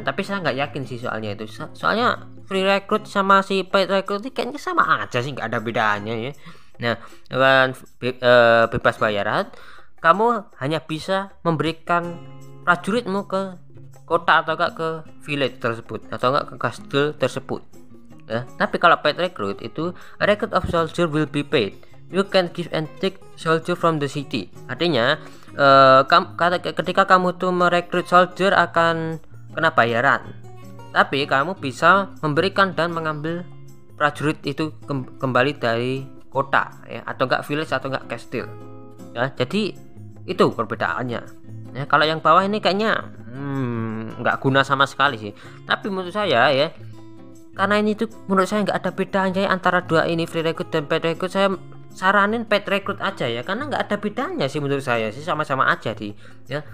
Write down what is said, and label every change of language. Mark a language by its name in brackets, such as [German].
[Indonesian] Tapi saya nggak yakin sih soalnya itu, soalnya free recruit sama si paid recruit ini kayaknya sama aja sih, nggak ada bedanya ya. Nah, dengan bebas bayaran, kamu hanya bisa memberikan prajuritmu ke kota atau nggak ke village tersebut atau nggak ke kastil tersebut ya. Tapi kalau paid recruit itu, [English] a recruit of soldier will be paid, you can give and take soldier from the city. [Indonesian] Artinya ketika kamu tuh merekrut soldier akan kena bayaran, tapi kamu bisa memberikan dan mengambil prajurit itu kembali dari kota ya, atau enggak village atau enggak castle ya. Jadi itu perbedaannya ya. Kalau yang bawah ini kayaknya enggak guna sama sekali sih, tapi menurut saya ya, karena ini tuh menurut saya enggak ada bedanya antara dua ini, free recruit dan paid recruit, saya saranin paid recruit aja ya, karena nggak ada bedanya sih menurut saya sih, sama-sama aja di ya.